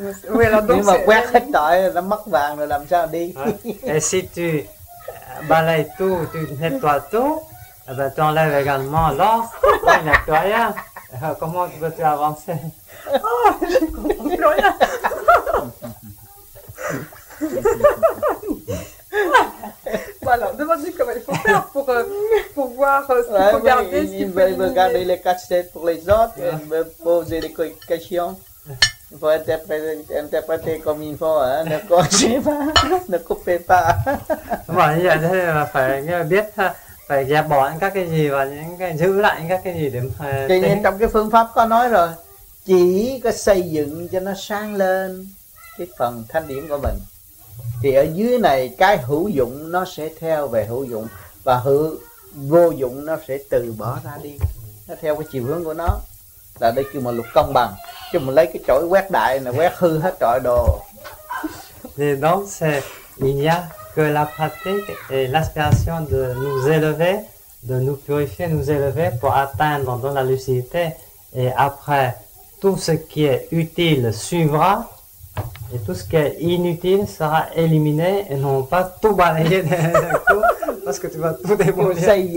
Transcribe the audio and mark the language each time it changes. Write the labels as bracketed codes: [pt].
[fr] Oui, alors donc, [vi] nhưng mà quét hết trời nó mất vàng rồi làm sao đi. [fr] Et si tu balayes tout, tu nettoies tout, eh ben, tu enlèves également l'or, tu n'as plus rien. Comment veux-tu avancer? Oh, je ne comprends plus rien. Voilà, demande-lui comment il faut faire pour voir, ouais, regarder ce qu'il fait. Il veut garder les cachettes pour les autres, il veut poser des questions. Il faut interpréter comme il faut, hein. Ne coupez pas, ne coupez pas. Bon, il y a des [vi] phải dẹp bỏ các cái gì và những cái giữ lại các cái gì để tính. Trong cái phương pháp có nói rồi, chỉ có xây dựng cho nó sáng lên cái phần thanh điểm của mình, thì ở dưới này cái hữu dụng nó sẽ theo về hữu dụng, và hữu vô dụng nó sẽ từ bỏ ra đi, nó theo cái chiều hướng của nó. Là đây kêu mà luật công bằng, chứ mà lấy cái chổi quét đại này quét hư hết trọi đồ. Thì đó sẽ nhìn [fr] que la pratique et l'aspiration de nous élever, de nous purifier, nous élever pour atteindre dans la lucidité, et après tout ce qui est utile suivra et tout ce qui est inutile sera éliminé, et non pas tout balayé d'un coup parce que tu vas tout démolir.